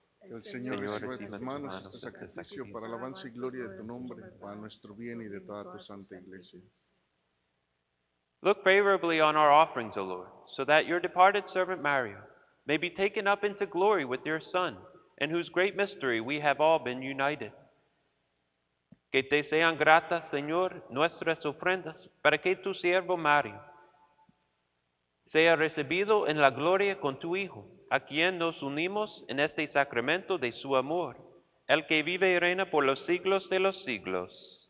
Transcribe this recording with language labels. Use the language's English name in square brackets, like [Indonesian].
[Spanish] Que el Señor reciba de tus manos este sacrificio para alabanza y gloria de tu nombre, para nuestro bien y de toda tu santa iglesia. [English] Look favorably on our offerings, O Lord, so that your departed servant Mario may be taken up into glory with your Son, in whose great mystery we have all been united. [Spanish] Que te sean gratas, Señor, nuestras ofrendas, para que tu siervo Mario sea recibido en la gloria con tu Hijo, a quien nos unimos en este sacramento de su amor, el que vive y reina por los siglos de los siglos.